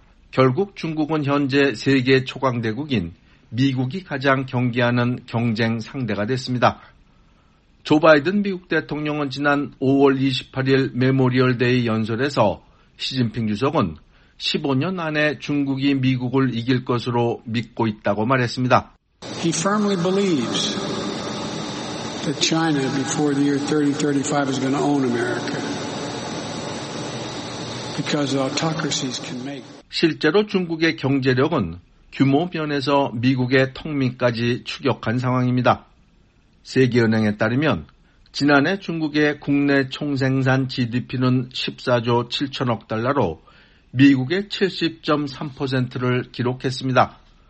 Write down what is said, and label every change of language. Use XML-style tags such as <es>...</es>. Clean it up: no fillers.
<ko>결국 중국은 현재 세계 초강대국인 미국이 가장 경계하는 경쟁 상대가 됐습니다. 조 바이든 미국 대통령은 지난 5월 28일 메모리얼 데이 연설에서 시진핑 주석은 15년 안에 중국이 미국을 이길 것으로 믿고 있다고 말했습니다.</ko> <en>He firmly believes that China before the year 3035 is going to own America. Because autocracies can make.</en> <ko>실제로 중국의 경제력은 규모 면에서 미국의 턱밑까지 추격한 상황입니다. 세계은행에 따르면 지난해 중국의 국내 총생산 GDP는 14조 7천억 달러로 미국의 70.3%를 기록했습니다.</ko>